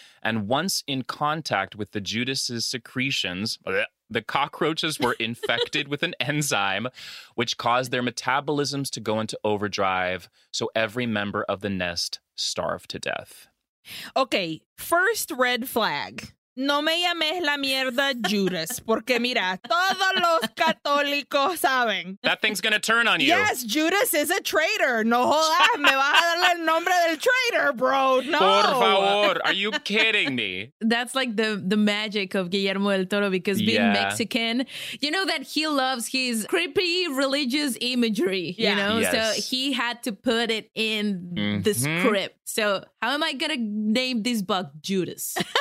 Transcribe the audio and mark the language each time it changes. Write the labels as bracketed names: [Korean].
[English] And once in contact with the Judas's secretions, the cockroaches were infected with an enzyme which caused their metabolisms to go into overdrive, so every member of the nest starved to death." Okay, first red flag. [Spanish] No me llames la mierda Judas, porque mira, todos los católicos saben. [English] That thing's going to turn on you. Yes, Judas is a traitor. [Spanish] No jodas, me vas a dar el nombre del traitor, bro. [English] No. [Spanish] Por favor, [English] are you kidding me? That's like the magic of Guillermo del Toro, because being Mexican, you know that he loves his creepy religious imagery, you know? Yes. So he had to put it in the script. So how am I going to name this bug Judas?